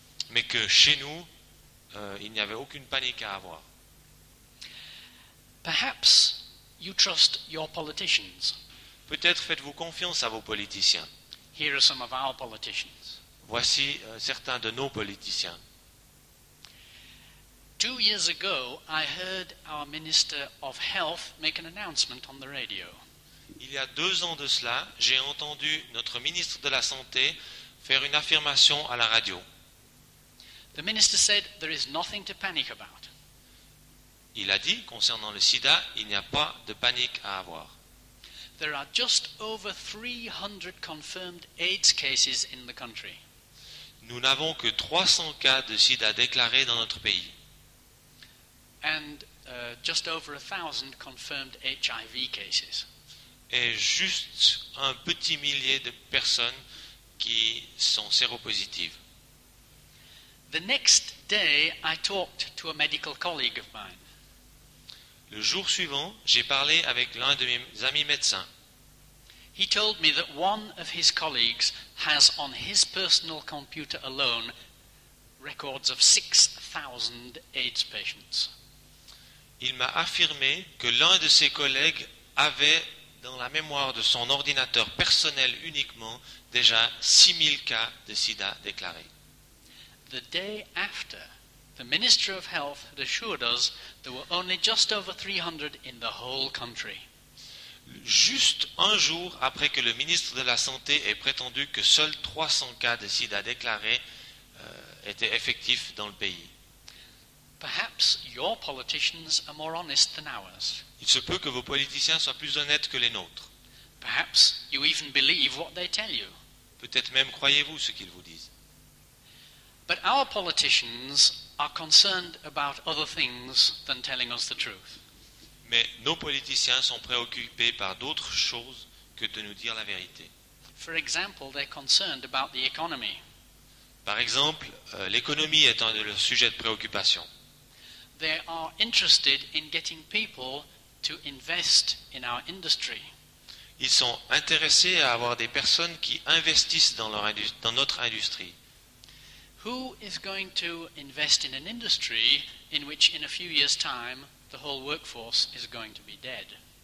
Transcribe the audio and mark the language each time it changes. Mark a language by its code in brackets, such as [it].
[fr] Mais que chez nous, il n'y avait aucune panique à avoir. [en] Perhaps you trust your politicians. [fr] Peut-être faites-vous confiance à vos politiciens. [en] Here are some of our politicians. [fr] Voici certains de nos politiciens. [en] 2 years ago, I heard our minister of health make an announcement on the radio. [fr] Il y a 2 ans de cela, j'ai entendu notre ministre de la Santé faire une affirmation à la radio. [en] The minister said there is nothing to panic about. [fr] Il a dit, concernant le sida, il n'y a pas de panique à avoir. [en] There are just over 300 confirmed AIDS cases in the country. [fr] Nous n'avons que 300 cas de sida déclarés dans notre pays. [en] And just over 1,000 confirmed HIV cases. [fr] Et juste un petit millier de personnes qui sont séropositives. [en] The next day, I talked to a medical colleague of mine. [fr] Le jour suivant, j'ai parlé avec l'un de mes amis médecins. [en] He told me that one of his colleagues has on his personal computer alone records of 6,000 AIDS patients. [fr] Il m'a affirmé que l'un de ses collègues avait dans la mémoire de son ordinateur personnel uniquement déjà 6,000 cas de sida déclarés. [en] The day after, the Minister of Health had assured us there were only just over 300 in the whole country. [fr] Juste un jour après que le ministre de la Santé ait prétendu que seuls 300 cas de sida déclarés était effectif dans le pays. [en] Perhaps your politicians are more honest than ours. [fr] Il se peut que vos politiciens soient plus honnêtes que les nôtres. [en] Perhaps you even believe what they tell you. [fr] Peut-être même croyez-vous ce qu'ils vous disent. [en] But our politicians are concerned about other things than telling us the truth. [fr] Mais nos politiciens sont préoccupés par d'autres choses que de nous dire la vérité. [en] For example, they're concerned about the economy. [fr] Par exemple, l'économie est un de leurs sujets de préoccupation. [en] They are interested in getting people to invest in our industry. [fr] Ils sont intéressés à avoir des personnes qui investissent dans leur dans notre industrie. [en] Who is going to invest in an industry in which in a few years time the whole workforce is going to be dead?